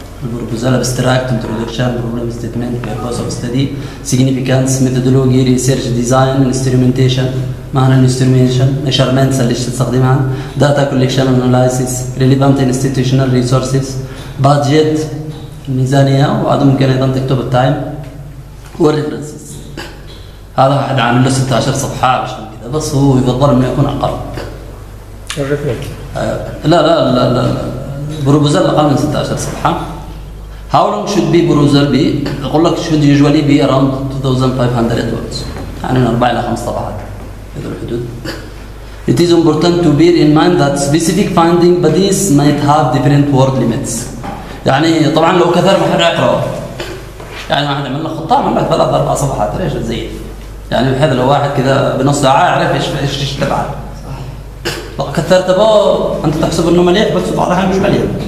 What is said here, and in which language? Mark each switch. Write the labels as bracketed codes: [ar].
[en] البروبوزال abstract, introduction, problem statement, purpose of study, significance, methodology, research design, instrumentation, معنى الانسترومنتيشن، measurements اللي تستخدمها، data collection analysis, relevant institutional resources, budget, الميزانيه، [ar] وهذا ممكن ايضا تكتب التايم والريفرنسز. هذا واحد عامل له 16 صفحه عشان كذا، بس هو يفضل انه يكون اقل. لا لا لا لا بروبوزال اقل من 16 صفحه. [en] How long should be proposal be؟ [ar] يقول لك [en] should usually be around 2500 words، [ar] يعني من 4 إلى 5 صفحات في ذي الحدود. [en] It is important to bear in mind that specific finding bodies might have different word limits. [ar] يعني طبعا لو كثر ما حد يقرأه. يعني واحد عمل له خطة عمل له 3 4 صفحات ليش تزيد؟ يعني بحيث لو واحد كذا بنص ساعة يعرف ايش تبعه. صح. كثرت به انت تحسب انه مليح بس بعض الاحيان مش مليح.